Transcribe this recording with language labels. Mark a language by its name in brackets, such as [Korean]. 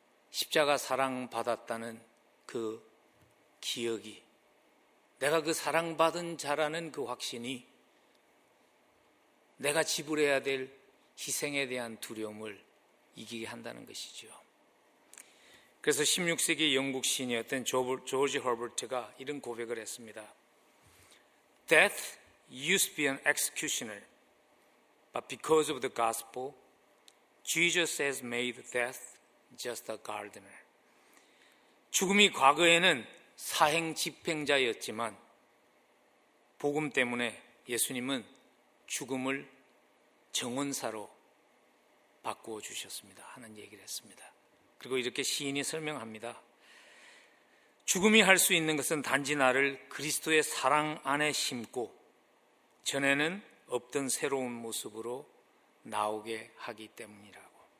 [Korean] 십자가 사랑받았다는 그 기억이, 내가 그 사랑받은 자라는 그 확신이 내가 지불해야 될 희생에 대한 두려움을 이기게 한다는 것이죠. 그래서 16세기 영국 시인이었던 조지 허버트가 이런 고백을 했습니다. [English] Death used to be an executioner, but because of the gospel, Jesus has made death just a gardener. [Korean] 죽음이 과거에는 사행 집행자였지만 복음 때문에 예수님은 죽음을 정원사로 바꾸어 주셨습니다 하는 얘기를 했습니다. 그리고 이렇게 시인이 설명합니다. 죽음이 할 수 있는 것은 단지 나를 그리스도의 사랑 안에 심고 전에는 없던 새로운 모습으로 나오게 하기 때문이라고.